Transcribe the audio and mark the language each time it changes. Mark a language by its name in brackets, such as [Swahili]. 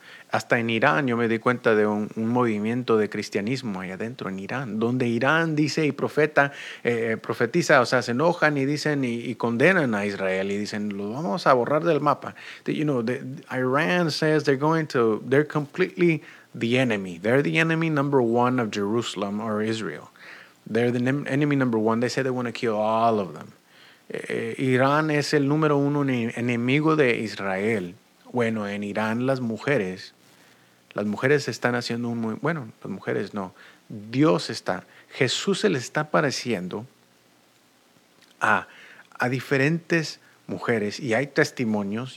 [Spanish] Hasta en Irán yo me di cuenta de un movimiento de cristianismo allá adentro en Irán, donde Irán dice y profetiza, o sea, se enojan y dicen y condenan a Israel y dicen lo vamos a borrar del mapa. [English] Iran says they're completely the enemy. They're the enemy number one of Jerusalem or Israel. They're the enemy number one. They say they want to kill all of them. [Spanish] Irán es el número uno enemigo de Israel. Bueno, en Irán las mujeres están haciendo un muy... Bueno, las mujeres no. Dios está, Jesús se le está apareciendo a diferentes mujeres y hay testimonios.